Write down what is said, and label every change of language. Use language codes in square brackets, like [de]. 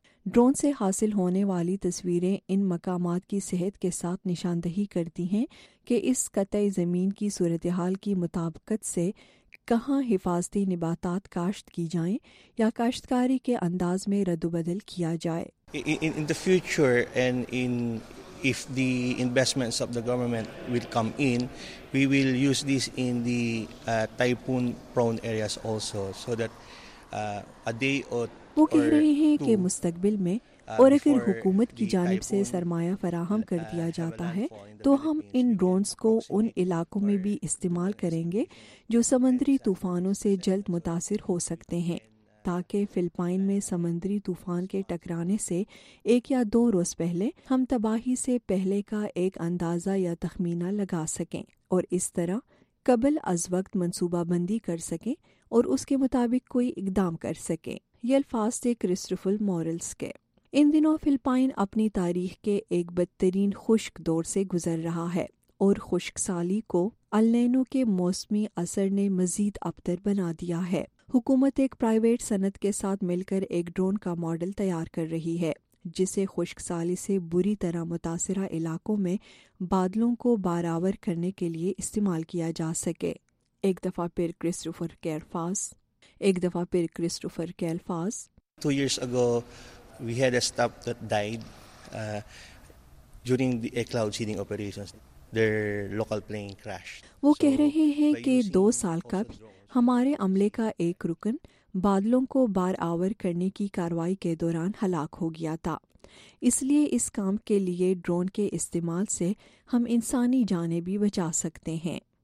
[ur] Drone سے حاصل ہونے والی تصویریں ان مقامات کی صحت کے ساتھ نشاندہی کرتی ہیں کہ اس قطع زمین کی صورتحال کی مطابقت سے کہاں حفاظتی نباتات کاشت کی جائیں یا کاشتکاری کے انداز میں رد و بدل کیا جائے. [en] In the future and in if the investments of the government will come in, we will use this in the typhoon prone areas also, so that a day or [ur] وہ کہہ رہے ہیں کہ مستقبل میں اور اگر حکومت کی جانب سے سرمایہ فراہم کر دیا جاتا ہے تو ہم ان ڈرونز کو ان علاقوں میں بھی استعمال کریں گے جو سمندری طوفانوں سے جلد متاثر ہو سکتے ہیں, تاکہ فلپائن میں سمندری طوفان کے ٹکرانے سے ایک یا دو روز پہلے ہم تباہی سے پہلے کا ایک اندازہ یا تخمینہ لگا سکیں اور اس طرح قبل از وقت منصوبہ بندی کر سکیں اور اس کے مطابق کوئی اقدام کر سکیں. یہ الفاظ تھے کرسٹوفر مورلز کے. ان دنوں فلپائن اپنی تاریخ کے ایک بدترین خشک دور سے گزر رہا ہے اور خشک سالی کو النینو کے موسمی اثر نے مزید ابتر بنا دیا ہے. حکومت ایک پرائیویٹ صنعت کے ساتھ مل کر ایک ڈرون کا ماڈل تیار کر رہی ہے جسے خشک سالی سے بری طرح متاثرہ علاقوں میں بادلوں کو باراور کرنے کے لیے استعمال کیا جا سکے. ایک دفعہ پھر کرسٹوفر کے الفاظ. [en] Two years ago, we had a staff that died during the cloud seeding operations. Their local plane crashed. [ur] وہ کہہ رہے ہیں کہ دو سال قبل ہمارے عملے کا ایک رکن بادلوں کو بار آور کرنے کی کاروائی کے دوران ہلاک ہو گیا تھا. اس لیے اس کام کے لیے ڈرون کے استعمال سے ہم انسانی جانیں بھی بچا سکتے ہیں.